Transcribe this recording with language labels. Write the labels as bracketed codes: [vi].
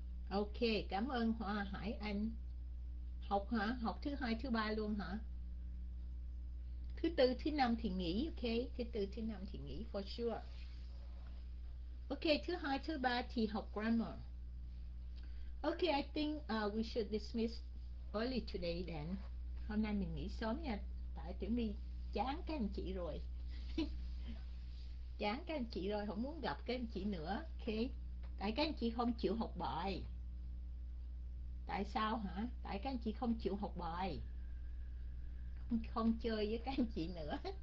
[vi] Ok, cảm ơn Hoa Hải Anh. Học hả? Học thứ hai, thứ ba luôn hả? Thứ tư, thứ năm thì nghỉ, ok. Thứ tư, thứ năm thì nghỉ [en] for sure. [vi] Okay, thứ hai, thứ ba thì học grammar. [en] Okay, I think we should dismiss early today then. [vi] Hôm nay mình nghỉ sớm nha, tại Tiểu My chán các anh chị rồi. Chán các anh chị rồi, không muốn gặp các anh chị nữa. Okay. Tại các anh chị không chịu học bài. Tại sao hả? Tại các anh chị không chịu học bài. Không chơi với các anh chị nữa.